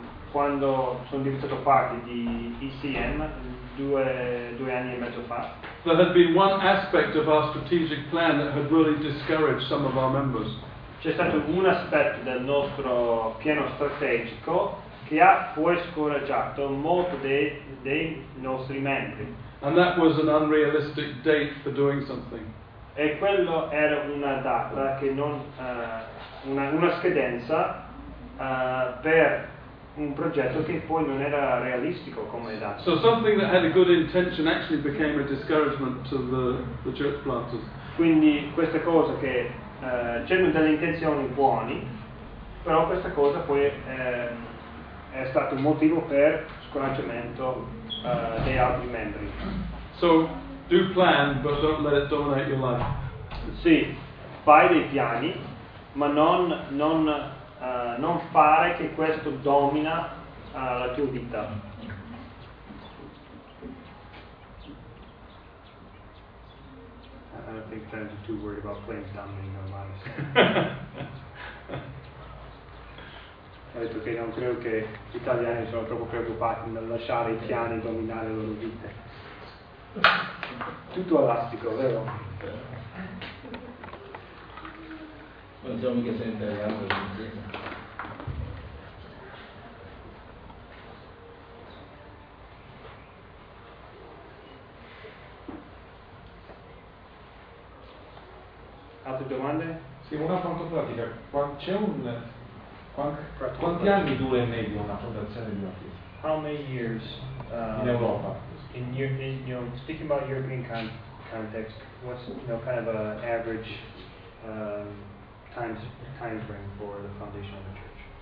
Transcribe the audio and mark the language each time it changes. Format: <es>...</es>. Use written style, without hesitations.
<it>quando sono diventato parte di ECM due anni e mezzo fa,</it> <en>there had been one aspect of our strategic plan that had really discouraged some of our members.</en> <it>C'è stato un aspetto del nostro piano strategico che ha poi scoraggiato molto dei nostri membri.</it> <en>And that was an unrealistic date for doing something.</en> <it>E quello era una data che non una scadenza per un progetto che poi non era realistico come data.</it> <en>So something that had a good intention actually became a discouragement to the church planters.</en> <it>Quindi questa cosa che c'erano delle intenzioni buone, però questa cosa poi è stato un motivo per scoraggiamento dei altri membri.</it> <en>So do plan, but don't let it dominate your life.</en> <it>Sì, fai dei piani, ma non fare che questo domina la tua vita.</it> <en>I don't think fans are too worried about playing dominating their lives.</en> <it>Ho detto che non credo che gli italiani sono troppo preoccupati nel lasciare i piani dominare le loro vite. Tutto elastico, vero? Non siamo mica sempre le altre cose. Altre domande? Sì, una molto pratica. Quanti anni dura in media una fondazione di una chiesa?</it> <en>How many years</en> <it>in Europa?</it> <en>Speaking about European context, what's kind of an average time frame for the foundation of the church?</en>